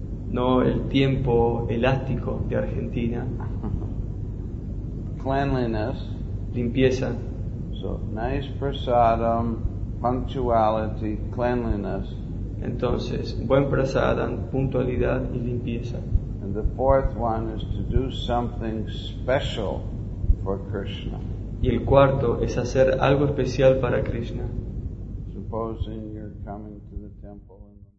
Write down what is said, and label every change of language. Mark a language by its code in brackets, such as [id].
[es] no el tiempo elástico de Argentina. [en] Cleanliness. [es] Limpieza. [en] So, nice prasadam, punctuality, cleanliness. [es] Entonces, buen prasadam, puntualidad y limpieza. [en] And the fourth one is to do something special for Krishna. [es] Y el cuarto es hacer algo especial para Krishna. [en] Supposing you're coming to the temple and